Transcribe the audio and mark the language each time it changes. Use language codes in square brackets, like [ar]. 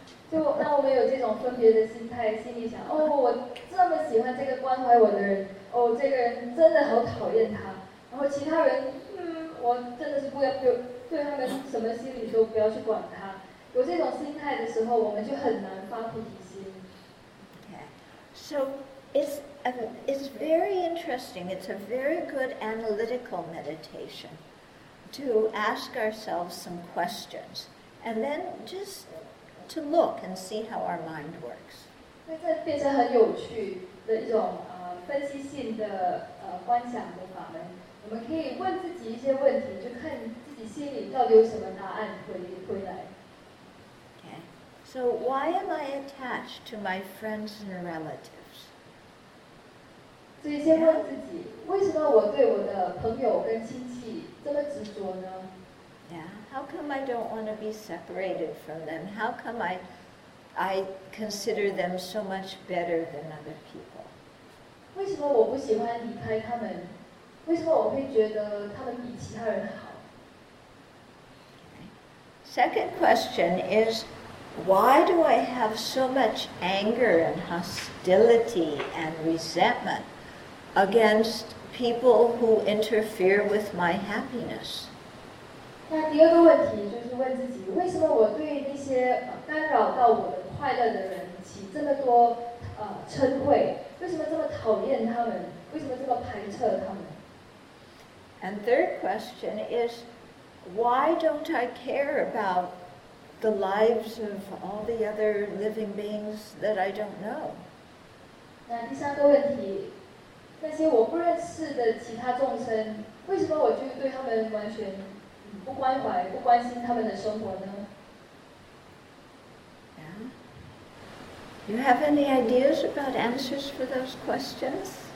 [zh] 就那我们有这种分别的心态，心里想，哦，我这么喜欢这个关怀我的人，哦，这个人真的好讨厌他。然后其他人，我真的是不要对他们什么心理都不要去管他。有这种心态的时候，我们就很难发菩提心。 [en] Okay, so it's very interesting. It's a very good analytical meditation to ask ourselves some questions and then just. To look and see how our mind works. [zh] 那这变成很有趣的一种分析性的观想的法门。我们可以问自己一些问题，就看自己心里到底有什么答案回来。 [en] Okay. So why am I attached to my friends and relatives? [zh] 所以先问自己，为什么我对我的朋友跟亲戚这么执着呢？ [en] How come I don't want to be separated from them? How come I consider them so much better than other people? [zh] 为什么我不喜欢离开他们？为什么我会觉得他们比其他人好？ [en] Okay. Second question is, why do I have so much anger and hostility and resentment against people who interfere with my happiness. [zh] 那第二个问题就是问自己，为什么我对那些干扰到我的快乐的人起这么多嗔恚？为什么这么讨厌他们？为什么这么排斥他们？ [en] And third question is, why don't I care about the lives of all the other living beings that I don't know? [zh] 那第三个问题，那些我不认识的其他众生，为什么我就对他们完全不关怀、不关心他们的生活呢？ [en] You have any ideas about answers for those questions?